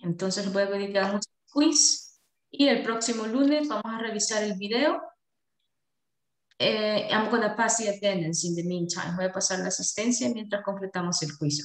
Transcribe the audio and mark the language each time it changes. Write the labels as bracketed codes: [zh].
[es] Entonces, voy a pedir que hagamos el quiz. Y el próximo lunes vamos a revisar el video. [en] I'm going to pass the attendance in the meantime. [es] Voy a pasar la asistencia mientras completamos el quiz.